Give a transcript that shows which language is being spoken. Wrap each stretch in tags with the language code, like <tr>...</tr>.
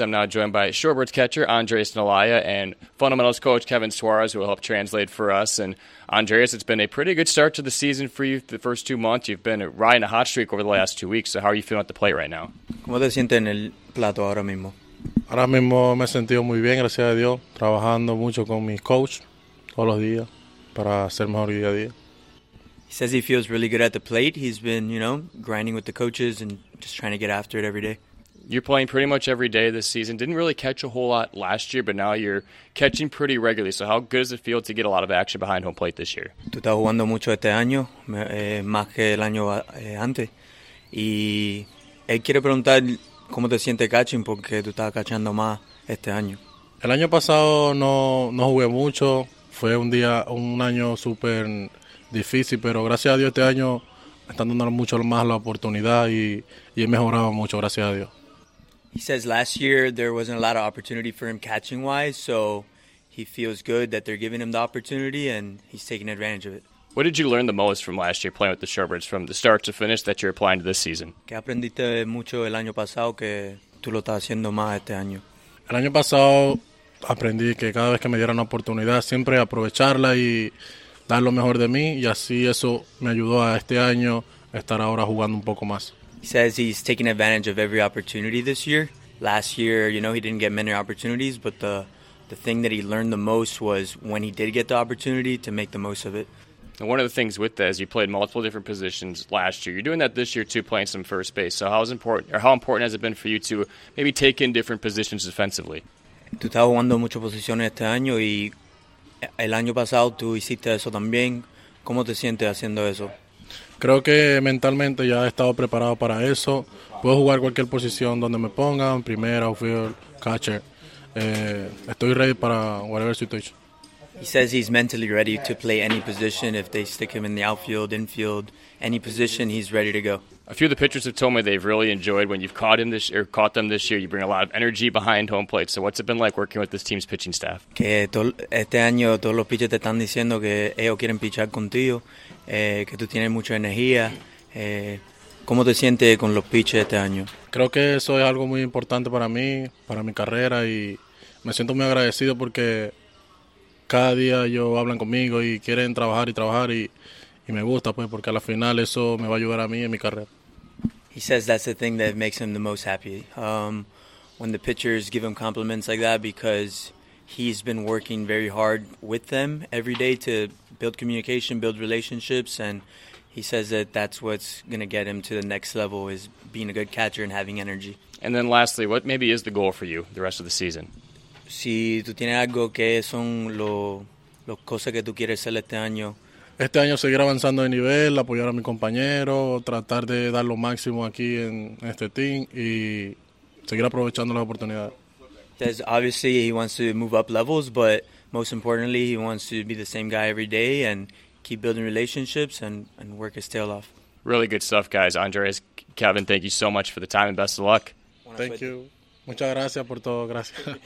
<en>I'm now joined by Shorebirds catcher Andres Nalaya and fundamentals coach Kevin Suarez, who will help translate for us. And Andres, it's been a pretty good start to the season for you the first 2 months. You've been riding a hot streak over the last 2 weeks. So how are you feeling at the plate right now?</en> <es>¿Cómo te sientes en el plato ahora mismo? Ahora mismo me he sentido muy bien, gracias a Dios, trabajando mucho con mi coach todos los días para ser mejor día a día.</es> <en>He says he feels really good at the plate. He's been, you know, grinding with the coaches and just trying to get after it every day. You're playing pretty much every day this season. Didn't really catch a whole lot last year, but now you're catching pretty regularly. So how good does it feel to get a lot of action behind home plate this year?</en> <es>Tú estás jugando mucho este año, más que el año antes. Y él quiere preguntar cómo te sientes catching, porque tú estás cachando más este año. El año pasado no jugué mucho. Fue un año súper difícil, pero gracias a Dios este año me están dando mucho más la oportunidad y he mejorado mucho, gracias a Dios.</es> <en>He says last year there wasn't a lot of opportunity for him catching-wise, so he feels good that they're giving him the opportunity and he's taking advantage of it. What did you learn the most from last year playing with the Shorebirds from the start to finish that you're applying to this season?</en> <es>Que aprendiste mucho el año pasado que tú lo estás haciendo más este año. El año pasado aprendí que cada vez que me dieran una oportunidad siempre aprovecharla y dar lo mejor de mí, y así eso me ayudó a este año estar ahora jugando un poco más.</es> <en>He says he's taking advantage of every opportunity this year. Last year, you know, he didn't get many opportunities, but the thing that he learned the most was when he did get the opportunity to make the most of it. And one of the things with that is you played multiple different positions last year. You're doing that this year too, playing some first base. So how important has it been for you to maybe take in different positions defensively?</en> <es>Tú estás jugando muchas posiciones este año y el año pasado tú hiciste eso también. ¿Cómo te sientes haciendo eso? Creo que mentalmente ya he estado preparado para eso. Puedo jugar cualquier posición donde me pongan, primera, outfield, catcher. Estoy</es> <en>ready</en> <es>para</es> <en>whatever situation. He says he's mentally ready to play any position. If they stick him in the outfield, infield, any position, he's ready to go. A few of the pitchers have told me they've really enjoyed when you've caught them this year. You bring a lot of energy behind home plate. So what's it been like working with this team's pitching staff?</en> <es>Que este año todos los pitchers te están diciendo que ellos quieren pitchar contigo, que tú tienes mucha energía. ¿Cómo te sientes con los pitchers este año? Creo que eso es algo muy importante para mí, para mi carrera, y me siento muy agradecido porque cada día ellos hablan conmigo y quieren trabajar y me gusta, pues, porque al final eso me va a ayudar a mí en mi carrera.</es> <en>He says that's the thing that makes him the most happy. When the pitchers give him compliments like that, because he's been working very hard with them every day to build communication, build relationships, and he says that that's what's going to get him to the next level, is being a good catcher and having energy. And then lastly, what maybe is the goal for you the rest of the season?</en> <es>Si tú tienes algo que son los cosas que tú quieres hacer este año. Este año seguir avanzando de nivel, apoyar a mi compañero, tratar de dar lo máximo aquí en este team y seguir aprovechando las oportunidades.</es> <en>Says obviously he wants to move up levels, but most importantly he wants to be the same guy every day and keep building relationships and work his tail off. Really good stuff, guys. Andres, Kevin, thank you so much for the time and best of luck. Thank you.</en> <es>Muchas gracias por todo. Gracias.</es>